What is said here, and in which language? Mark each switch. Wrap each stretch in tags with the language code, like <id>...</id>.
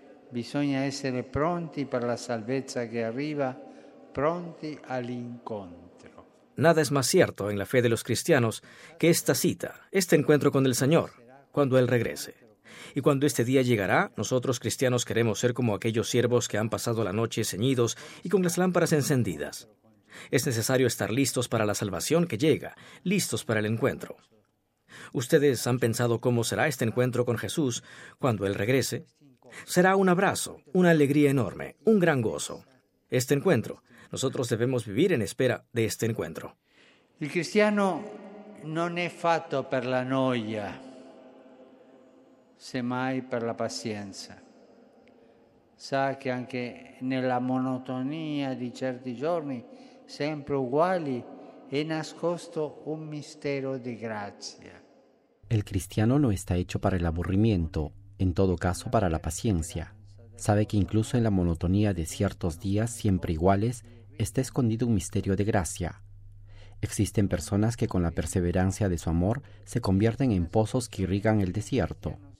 <it>Bisogna essere pronti per la salvezza che arriva, pronti all'incontro.</it> <es>Nada es más cierto en la fe de los cristianos que esta cita, este encuentro con el Señor, cuando Él regrese. Y cuando este día llegará, nosotros cristianos queremos ser como aquellos siervos que han pasado la noche ceñidos y con las lámparas encendidas. Es necesario estar listos para la salvación que llega, listos para el encuentro. ¿Ustedes han pensado cómo será este encuentro con Jesús cuando Él regrese? Será un abrazo, una alegría enorme, un gran gozo. Este encuentro, nosotros debemos vivir en espera de este encuentro. El cristiano no es</es> <it>fatto per la noia, semmai per la pazienza. Sa che anche nella monotonia di certi giorni, sempre uguali, è nascosto un mistero di grazia.</it> <es>El cristiano no está hecho para el aburrimiento, en todo caso para la paciencia. Sabe que incluso en la monotonía de ciertos días siempre iguales está escondido un misterio de gracia. Existen personas que con la perseverancia de su amor se convierten en pozos que irrigan el desierto.</es>